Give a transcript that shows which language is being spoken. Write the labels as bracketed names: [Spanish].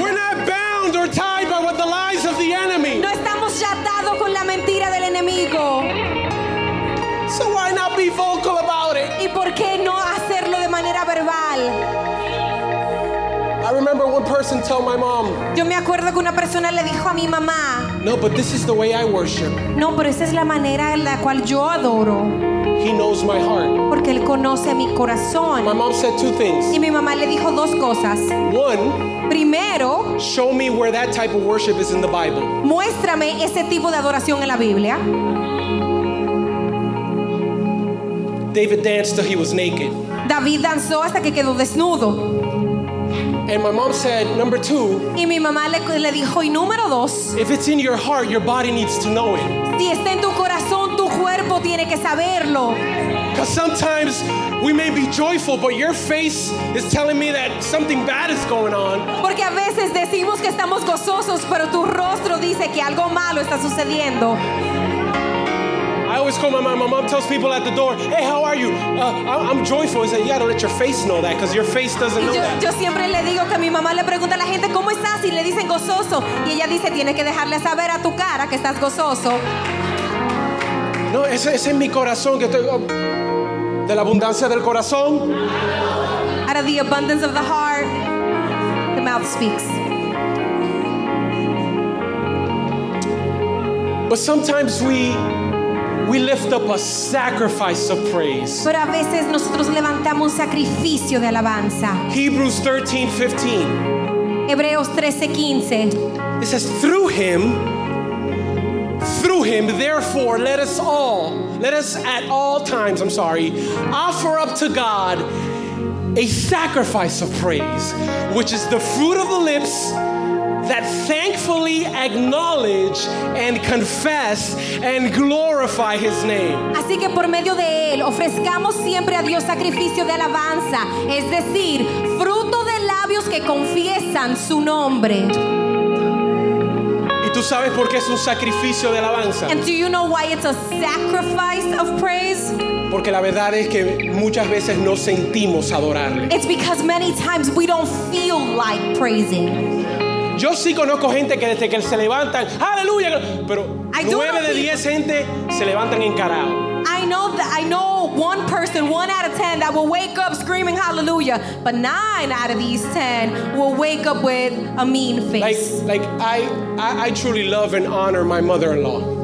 [English] We're not bound or tied by what the lies of the enemy. [Spanish] No estamos atados con la mentira del enemigo. [English] So why not be vocal about it? [Spanish] ¿Y por qué no hacerlo de manera verbal? [English] I remember one person told my mom. [Spanish] Yo me acuerdo que una persona le dijo a mi mamá. [English] No, but this is the way I worship. [Spanish] No, pero esa es la manera en la cual yo adoro. [English] He knows my heart. [Spanish] Porque él conoce mi corazón. [English] My mom said two things. [Spanish] Y mi mamá le dijo dos cosas. [English] One. [Spanish] Primero. [English] Show me where that type of worship is in the Bible. [Spanish] Muéstrame ese tipo de adoración en la Biblia. [English] David danced till he was naked. [Spanish] David danzó hasta que quedó desnudo. [English] And my mom said, number two, [Spanish] y mi mamá le dijo, y número dos, [English] if it's in your heart, your body needs to know it. [Spanish] Si está en tu corazón, tu cuerpo tiene que saberlo. [English] Because sometimes we may be joyful, but your face is telling me that something bad is going on. [Spanish] Porque a veces decimos que estamos gozosos, pero tu rostro dice que algo malo está sucediendo. [English] I always call my mom tells people at the door, hey, how are you? I'm joyful. I said, you got to let your face know that because your face doesn't know that. [Spanish] Yo siempre le digo que mi mamá le pregunta a la gente, ¿cómo estás? Y le dicen gozoso. Y ella dice, tienes que dejarle saber a tu cara que estás gozoso. No, ese es en mi corazón. Que estoy, de la abundancia del corazón. [English] Out of the abundance of the heart, the mouth speaks. But sometimes we lift up a sacrifice of praise. [Spanish] Pero a veces nosotros levantamos un sacrificio de alabanza. [English] Hebrews 13:15. [Spanish] Hebreos 13:15. [English] It says, through him, therefore, let us at all times, offer up to God a sacrifice of praise, which is the fruit of the lips that thankfully acknowledge and confess and glorify his name. [Spanish] Así que por medio de él ofrezcamos siempre a Dios sacrificio de alabanza, es decir, fruto de labios que confiesan su nombre. ¿Y tú sabes por qué es un sacrificio de alabanza? [English] And do you know why it's a sacrifice of praise? [Spanish] Porque la verdad es que muchas veces no sentimos adorarle. [English] It's because many times we don't feel like praising. [Spanish] Yo sí conozco gente que desde que se levantan, ¡aleluya! Pero 9 de 10 gente se levantan encarados. [English] I know one person, one out of 10, that will wake up screaming hallelujah, but 9 out of these 10 will wake up with a mean face. I truly love and honor my mother-in-law.